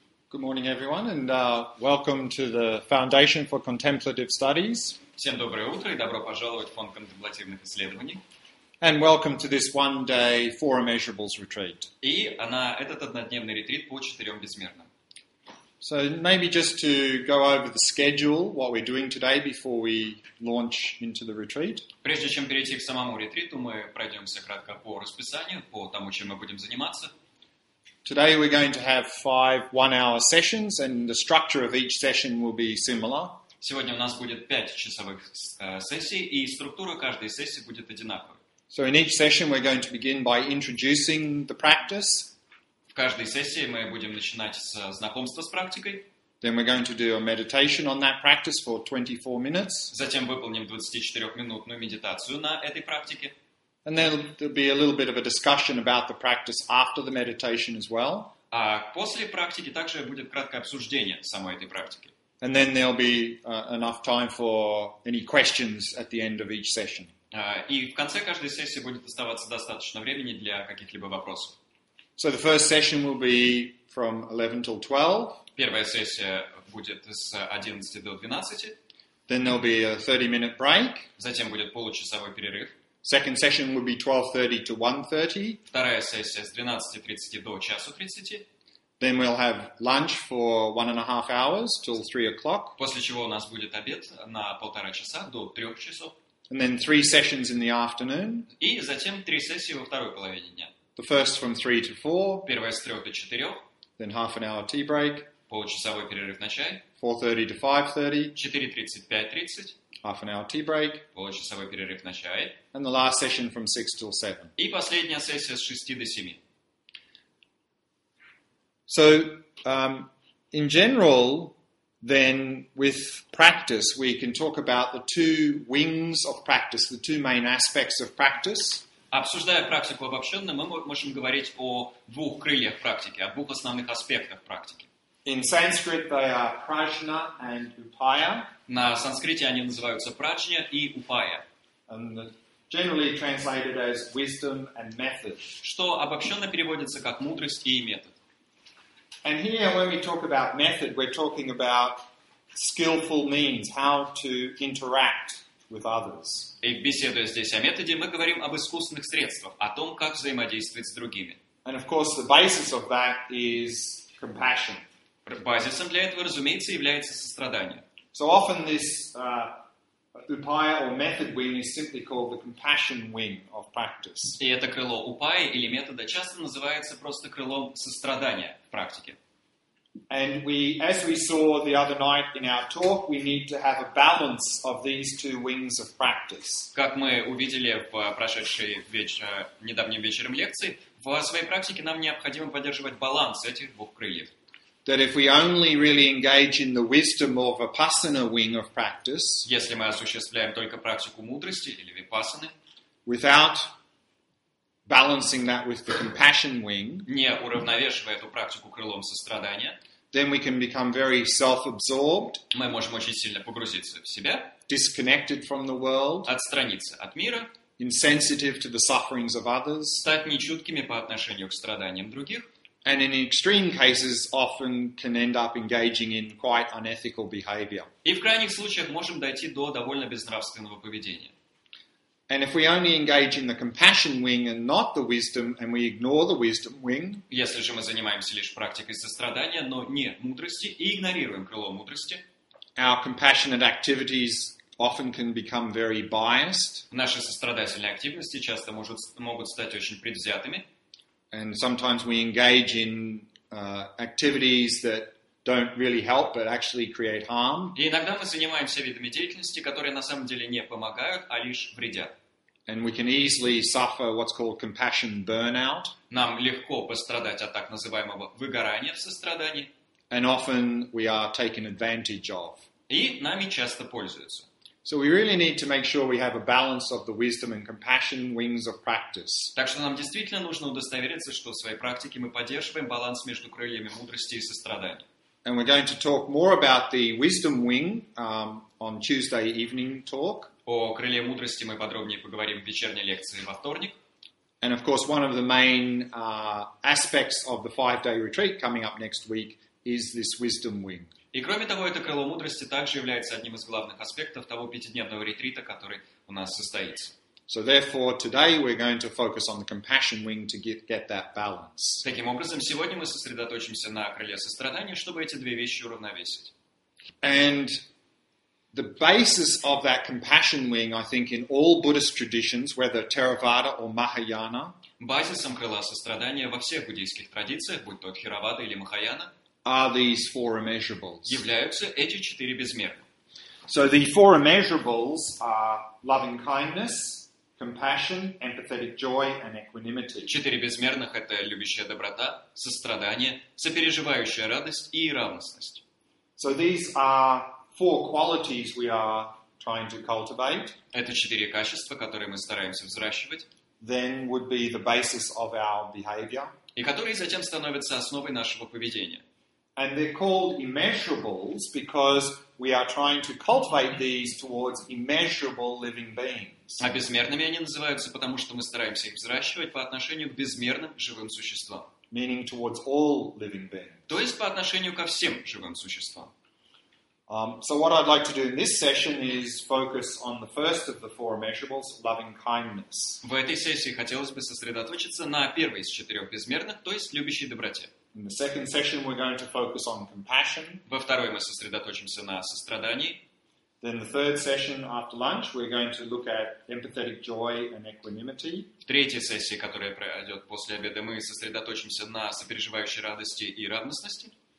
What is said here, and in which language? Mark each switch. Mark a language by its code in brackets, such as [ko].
[en] Good morning, everyone, and welcome to the Foundation for Contemplative Studies. [ru] Всем доброе утро и добро пожаловать в фонд контемплативных исследований. [en] And welcome to this one-day Four Immeasurables retreat. [ru] И этот однодневный ретрит по четырем бессмертным. [en] So maybe just to go over the schedule, what we're doing today before we launch into the retreat. [ru] Прежде чем перейти к самому ретриту, мы пройдемся кратко по расписанию, по тому, чем мы будем заниматься. [en] Today we're going to have 5 one-hour sessions, and the structure of each session will be similar. [ru] Сегодня у нас будет 5 часовых сессий, и структура каждой сессии будет одинаковой. [en] So in each session we're going to begin by introducing the practice. [ru] В каждой сессии мы будем начинать с знакомства с практикой. [en] Then we're going to do a meditation on that practice for 24 minutes. [ru] Затем выполним 24-минутную медитацию на этой практике. [en] And then there'll be a little bit of a discussion about the practice after the meditation as well. [ru] А после практики также будет краткое обсуждение самой этой практики. [en] And then there'll be enough time for any questions at the end of each session. [ru] И в конце каждой сессии будет оставаться достаточно времени для каких-либо вопросов. [en] So the first session will be from 11 till 12. [ru] Первая сессия будет с 11 до 12. [en] Then there'll be a 30-minute break. [ru] Затем будет получасовой перерыв. [en] Second session will be 12:30 to 1:30. [ru] Вторая сессия с 12:30 до часу 30. [en] Then we'll have lunch for 1.5 hours till 3 o'clock. [ru] После чего у нас будет обед на 1.5 часа до 3 часов. [en] And then 3 sessions in the afternoon. [ru] И затем 3 сессии во второй половине дня. [en] The first from 3 to 4. [ru] Первая с 3 до 4. [en] Then 30-minute tea break. [ru] Получасовой перерыв на чай. [en] 4:30 to 5:30. 4:30 to 5:30. Half an hour tea break. [ru] Получасовой перерыв на чай. [en] And the last session from 6 till 7. [ru] И последняя сессия с 6 до 7. [en] So, in general, then, with practice, we can talk about the two wings of practice, the two main aspects of practice. [ru] Обсуждая практику обобщенно, мы можем говорить о двух крыльях практики, о двух основных аспектах практики. [en] In Sanskrit, they are prajna and upaya. [ru] На санскрите они называются праджня и упая. [en] And generally translated as wisdom and method. [ru] Что обобщенно переводится как мудрость и метод. [en] And here, when we talk about method, we're talking about skillful means, how to interact with others. [ru] И беседуя здесь о методе, мы говорим об искусственных средствах, о том, как взаимодействовать с другими. [en] And of course, the basis of that is compassion. [ru] Базисом для этого, разумеется, является сострадание. [en] So often this upaya or method wing is simply called the compassion wing of practice. [ru] И это крыло упая или метода часто называется просто крылом сострадания в практике. [en] And we, as we saw the other night in our talk, we need to have a balance of these two wings of practice. [ru] Как мы увидели в прошедшей недавнем вечером лекции, в своей практике нам необходимо поддерживать баланс этих двух крыльев. [en] That if we only really engage in the wisdom or vipassana wing of practice, [ru] если мы осуществляем только практику мудрости или випассаны, [en] without balancing that with the compassion wing, [ru] не уравновешивая эту практику крылом сострадания, [en] then we can become very self-absorbed, [ru] мы можем очень сильно погрузиться в себя, [en] disconnected from the world, [ru] отстраниться от мира, [en] insensitive to the sufferings of others, [ru] стать нечуткими по отношению к страданиям других. [en] And in extreme cases, often can end up engaging in quite unethical behavior. [ru] И в крайних случаях можем дойти до довольно безнравственного поведения. [en] And if we only engage in the compassion wing and not the wisdom, and we ignore the wisdom wing, [ru] если же мы занимаемся лишь практикой сострадания, но не мудрости, и игнорируем крыло мудрости, [en] our compassionate activities often can become very biased. [ru] Наши сострадательные активности часто могут стать очень предвзятыми. [en] And sometimes we engage in activities that don't really help, but actually create harm. [ru] И иногда мы занимаемся видами деятельности, которые на самом деле не помогают, а лишь вредят. [en] And we can easily suffer what's called compassion burnout. [ru] Нам легко пострадать от так называемого выгорания в сострадании. [en] And often we are taken advantage of. [ru] И нами часто пользуются. [en] So we really need to make sure we have a balance of the wisdom and compassion wings of practice. [ru] Так что нам действительно нужно удостовериться, что в своей практике мы поддерживаем баланс между крыльями мудрости и сострадания. [en] And we're going to talk more about the wisdom wing on Tuesday evening talk. [ru] О крыле мудрости мы подробнее поговорим в вечерней лекции во вторник. [en] And of course, one of the main aspects of the 5-day retreat coming up next week is this wisdom wing. [ru] И кроме того, это крыло мудрости также является одним из главных аспектов того пятидневного ретрита, который у нас состоится. [en] So therefore, today we're going to focus on the compassion wing to get that balance. [ru] Таким образом, сегодня мы сосредоточимся на крыле сострадания, чтобы эти две вещи уравновесить. [en] And the basis of that compassion wing, I think, in all Buddhist traditions, whether Theravada or Mahayana, [ru] базисом крыла сострадания во всех буддийских традициях, будь то Theravada или Mahayana, [en] are these four immeasurables. [ru] Являются эти четыре безмерных. [en] So the four immeasurables are loving kindness, compassion, empathetic joy, and equanimity. [ru] Четыре безмерных — это любящая доброта, сострадание, сопереживающая радость и равностность. [en] So these are four qualities we are trying to cultivate. [ru] Это четыре качества, которые мы стараемся взращивать. [en] Then would be the basis of our behavior. [ru] И которые затем становятся основой нашего поведения. [en] And they're called immeasurables because we are trying to cultivate these towards immeasurable living beings. [ru] А безмерными они называются, потому что мы стараемся их взращивать по отношению к безмерным живым существам. [en] Meaning towards all living beings. [ru] То есть по отношению ко всем живым существам. [en] So what I'd like to do in this session is focus on the first of the four immeasurables, loving kindness. [ru] В этой сессии хотелось бы сосредоточиться на первой из четырех безмерных, то есть любящей доброте. [en] In the second session we're going to focus on compassion. [ru] Во второй мы сосредоточимся на сострадании. [en] Then the third session after lunch we're going to look at empathetic joy and equanimity. [ru] В третьей сессии, которая пройдет после обеда, мы сосредоточимся на сопереживающей радости и равностности.